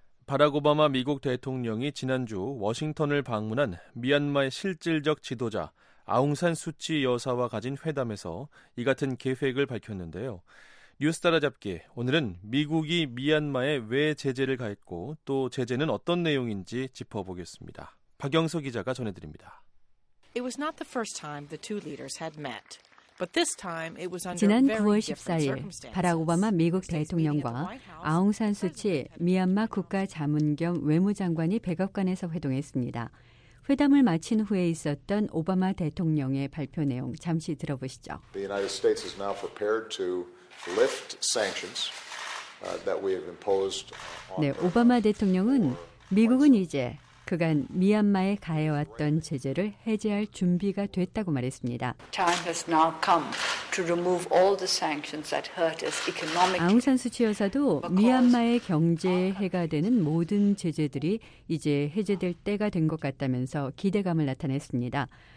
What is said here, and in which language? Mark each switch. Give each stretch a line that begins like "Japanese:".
Korean: 바락 오바마 미국 대통령이 지난주 워싱턴을 방문한 미얀마의 실질적 지도자 아웅산 수치 여사와 가진 회담에서 이 같은 계획을 밝혔는데요. 뉴스타라 잡기, 오늘은 미국이 미얀마에 왜 제재를 가했고 또 제재는 어떤 내용인지 짚어보겠습니다. 박영서 기자가 전해드립니다.
English: It was not the first time the two leaders had met. But this time it was under
Korean: 지난 9월 14일 바락 오바마 미국 대통령과 아웅 산 수치 미얀마 국가 자문 겸 외무장관이 백악관에서 회동했습니다. 회담을 마친 후에 있었던 오바마 대통령의 발표 내용 잠시 들어보시죠.
English: The United States is now prepared to lift sanctions that we have imposed on
Korean: 네, 오바마 대통령은 미국은 이제 그간 미얀마에 가해왔던 제재를 해제할 준비가 됐다고 말했습니다. 아웅 산 수치 여사도 미얀마의 경제에 해가 되는 모든 제재들이 이제 해제될 때가 된 것 같다면서 기대감을 나타냈습니다.